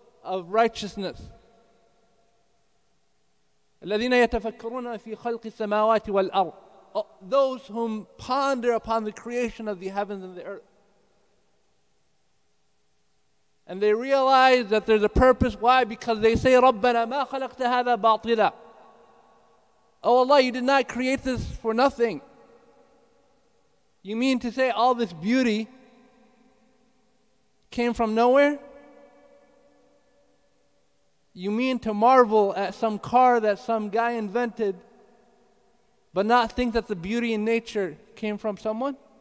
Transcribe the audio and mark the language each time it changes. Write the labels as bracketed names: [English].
[English] of righteousness. [Arabic] الَّذِينَ يَتَفَكَّرُونَ فِي خَلْقِ السَّمَاوَاتِ وَالْأَرْضِ. [English] Those whom ponder upon the creation of the heavens and the earth. And they realize that there's a purpose. Why? Because they say, [Arabic] رَبَّنَا مَا خَلَقْتَ هَذَا بَاطِلًا. [English] Oh Allah, you did not create this for nothing. You mean to say all this beauty came from nowhere? You mean to marvel at some car that some guy invented, but not think that the beauty in nature came from someone?